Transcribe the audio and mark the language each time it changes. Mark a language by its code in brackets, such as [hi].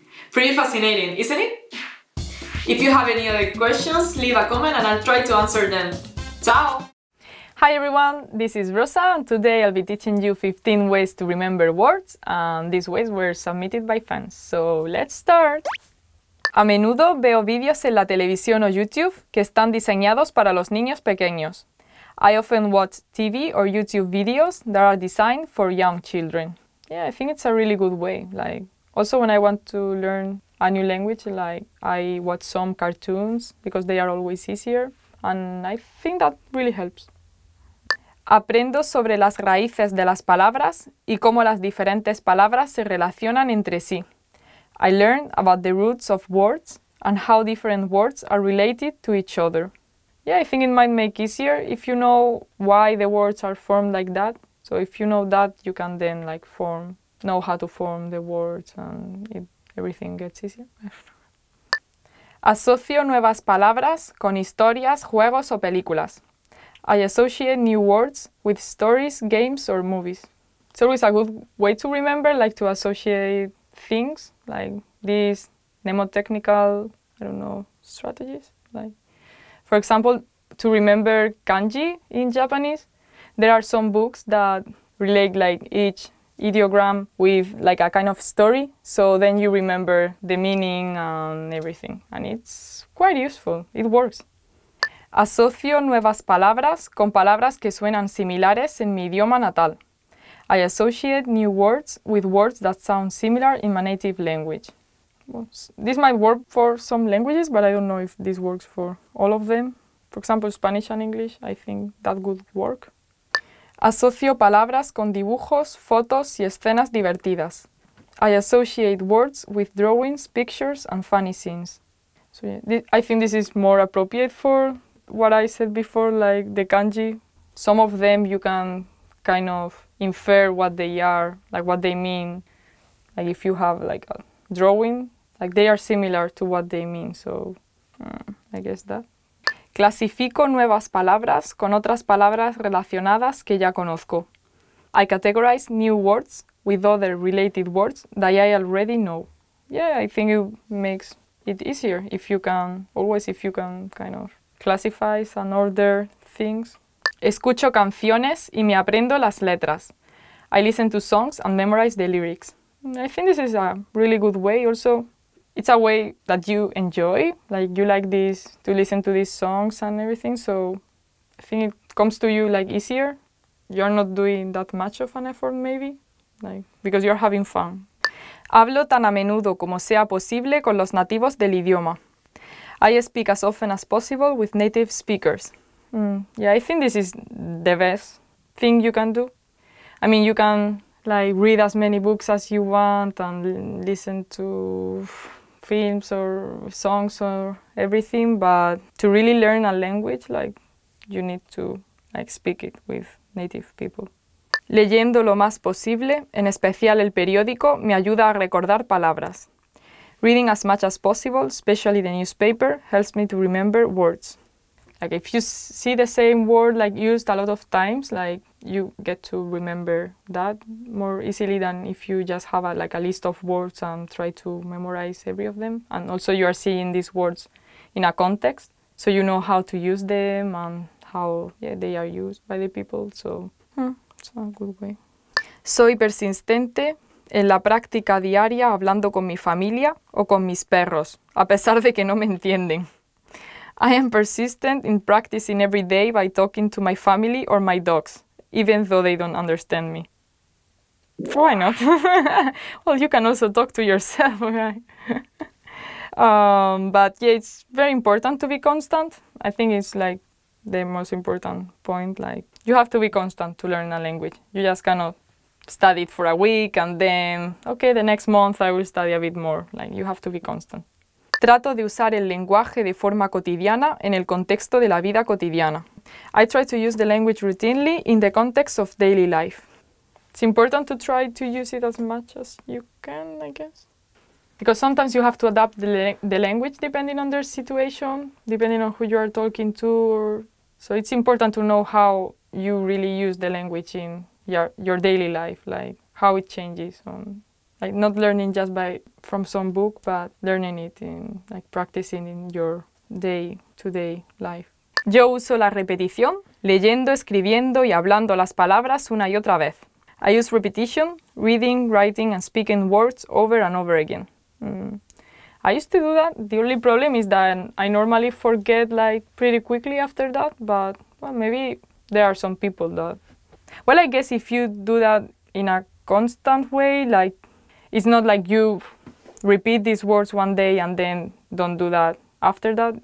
[en] Pretty fascinating, isn't it? If you have any other questions, leave a comment and I'll try to answer them. Ciao! Hi everyone, this is Rosa, and today I'll be teaching you 15 ways to remember words, and these ways were submitted by fans. So let's start! [es] A menudo veo vídeos en la televisión o YouTube que están diseñados para los niños pequeños. [en] I often watch TV or YouTube videos that are designed for young children. Yeah, I think it's a really good way. Like, also when I want to learn a new language, like, I watch some cartoons because they are always easier, and I think that really helps. [es] Aprendo sobre las raíces de las palabras y cómo las diferentes palabras se relacionan entre sí. [en] I learned about the roots of words and how different words are related to each other. Yeah, I think it might make easier if you know why the words are formed like that. So if you know that, you can then like know how to form the words and everything gets easier. [es] Asocio nuevas palabras con historias, juegos o películas. [en] I associate new words with stories, games or movies. It's always a good way to remember, like to associate things, like these mnemotechnical, strategies. Like, for example, to remember kanji in Japanese, there are some books that relate like each ideogram with like a kind of story. So then you remember the meaning and everything. And it's quite useful, it works. [es] Asocio nuevas palabras con palabras que suenan similares en mi idioma natal. [en] I associate new words with words that sound similar in my native language. Well, this might work for some languages, but I don't know if this works for all of them. For example, Spanish and English, I think that would work. [es] Asocio palabras con dibujos, fotos y escenas divertidas. [en] I associate words with drawings, pictures and funny scenes. So yeah, I think this is more appropriate for what I said before, like the kanji. Some of them you can kind of infer what they are, like what they mean. Like if you have like a drawing, like they are similar to what they mean. So I guess that. [es] Clasifico nuevas palabras con otras palabras relacionadas que ya conozco. [en] I categorize new words with other related words that I already know. Yeah, I think it makes it easier if you can, always if you can kind of classifies and order things. [es] Escucho canciones y me aprendo las letras. [en] I listen to songs and memorize the lyrics. I think this is a really good way also. It's a way that you enjoy, like you like this, to listen to these songs and everything, so I think it comes to you like easier. You're not doing that much of an effort maybe, like, because you're having fun. [es] Hablo tan a menudo como sea posible con los nativos del idioma. [en] I speak as often as possible with native speakers. Yeah, I think this is the best thing you can do. I mean, you can like read as many books as you want and listen to films or songs or everything, but to really learn a language, like, you need to like speak it with native people. [es] Leyendo lo más posible, en especial el periódico, me ayuda a recordar palabras. [en] Reading as much as possible, especially the newspaper, helps me to remember words. Like if you see the same word like used a lot of times, like you get to remember that more easily than if you just have a list of words and try to memorize every of them. And also you are seeing these words in a context, so you know how to use them and how they are used by the people. So it's a good way. [es] Soy persistente en la práctica diaria hablando con mi familia o con mis perros, a pesar de que no me entienden. [en] I am persistent in practicing every day by talking to my family or my dogs, even though they don't understand me. Why not? Well, you can also talk to yourself, right? But yeah, it's very important to be constant. I think it's like the most important point. Like, you have to be constant to learn a language. You just cannot study it for a week and then, okay, the next month I will study a bit more. Like, you have to be constant. [es] Trato de usar el lenguaje de forma cotidiana en el contexto de la vida cotidiana. [en] I try to use the language routinely in the context of daily life. It's important to try to use it as much as you can, I guess. Because sometimes you have to adapt the language depending on their situation, depending on who you are talking to. So it's important to know how you really use the language in your daily life, like how it changes. Like not learning just from some book, but learning it in like practicing in your day-to-day life. [es] Yo uso la repetición leyendo, escribiendo y hablando las palabras una y otra vez. [en] I use repetition, reading, writing and speaking words over and over again. I used to do that. The only problem is that I normally forget like pretty quickly after that, but well, maybe there are some people that... Well, I guess if you do that in a constant way, like it's not like you repeat these words one day and then don't do that after that.